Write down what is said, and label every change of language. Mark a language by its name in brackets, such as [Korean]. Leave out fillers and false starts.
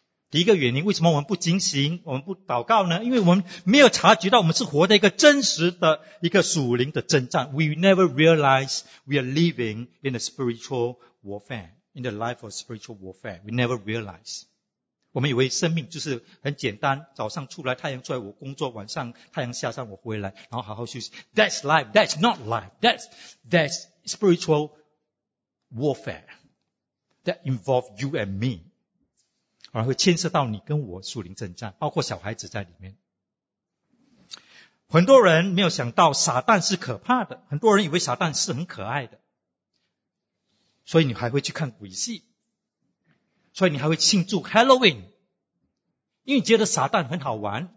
[Chinese] 第一个原因，为什么我们不警醒，我们不祷告呢？因为我们没有察觉到，我们是活在一个真实的一个属灵的征战。 [English] We never realize we are living in a spiritual warfare, in the life of spiritual warfare. We never realize. [Chinese] 我们以为生命就是很简单，早上出来太阳出来我工作，晚上太阳下山我回来，然后好好休息。 [English] That's life, that's not life, that's spiritual warfare that involves you and me. [Chinese] 而会牵涉到你跟我属灵征战，包括小孩子在里面。很多人没有想到撒旦是可怕的，很多人以为撒旦是很可爱的，所以你还会去看鬼戏，所以你还会庆祝 Halloween， 因为觉得撒旦很好玩。